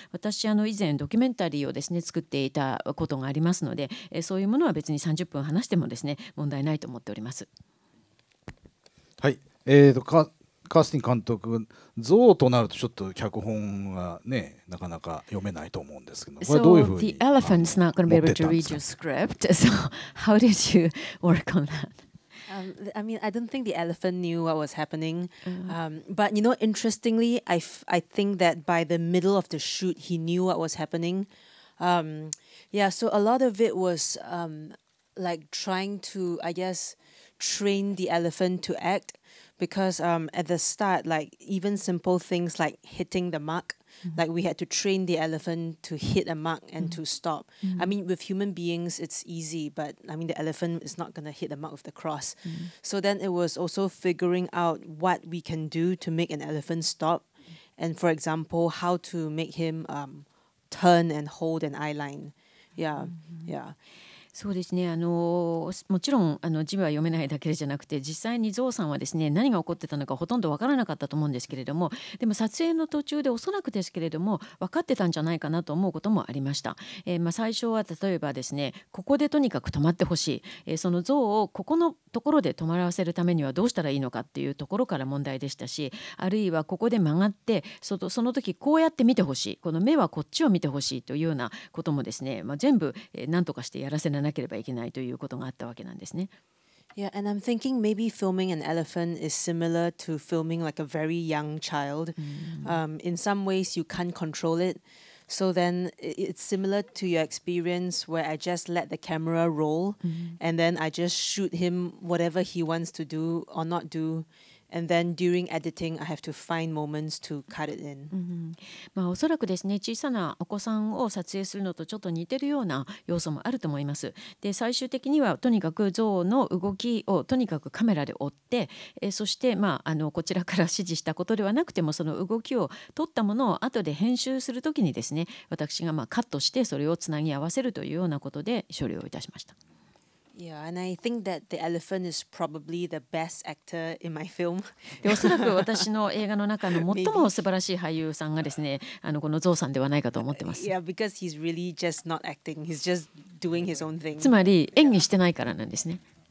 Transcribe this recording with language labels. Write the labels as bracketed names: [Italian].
[Japanese] 私以前ドキュメンタリーをですね作っていたことがありますので、そういうものは別に30分話してもですね問題ないないと思っております。はい、カースティン監督、像となるとちょっと脚本がね、なかなか読めないと思うんですけど、これどういうふうに、 [English] The elephant's not going to be able to read your script. So how did you work on that? I mean, I don't think the elephant knew what was happening. But you know, interestingly, I think that by the middle of the shoot, he knew what was happening. Yeah, so a lot of it was like trying to, I guess, train the elephant to act, because at the start, like even simple things like hitting the mark, like we had to train the elephant to hit a mark and to stop. I mean, with human beings, it's easy, but I mean, the elephant is not going to hit the mark with the cross. So then it was also figuring out what we can do to make an elephant stop. And for example, how to make him turn and hold an eye line. Yeah. [Japanese] そうですね、もちろん字は読めないだけじゃなくて、実際にゾウさんはですね、何が起こってたのかほとんど分からなかったと思うんですけれども、でも撮影の途中でおそらくですけれども分かってたんじゃないかなと思うこともありました。まあ最初は例えばですね、ここでとにかく止まってほしい、そのゾウをここのところで止まらせるためにはどうしたらいいのかっていうところから問題でしたし、あるいはここで曲がって その時こうやって見てほしい、この目はこっちを見てほしいというようなこともですね、まあ、全部何とかしてやらせななければいけないということがあったわけなんですね。 [English] Yeah, and I'm thinking maybe filming an elephant is similar to filming like a very young child. In some ways, you can't control it. So then it's similar to your experience where I just let the camera roll, and then I just shoot him whatever he wants to do or not do. And then during editing, I have to find moments to cut it in. [Japanese] まあおそらくですね、小さなお子さんを撮影するのとちょっと似てるような要素もあると思います。で、最終的にはとにかく象の動きをとにかくカメラで追って、そしてまあこちらから指示したことではなくても、その動きを撮ったものを後で編集するときにですね、私がまあカットしてそれをつなぎ合わせるというようなことで処理をいたしました。 [English] Yeah, and I think that the elephant is probably the best actor in my film. [Japanese] おそらく私の映画の中の最も素晴らしい俳優さんがですね、このゾウさんではないかと思ってます。 [English] Yeah, because he's really just not acting. He's just doing his own thing. [Japanese] つまり演技してないからなんですね。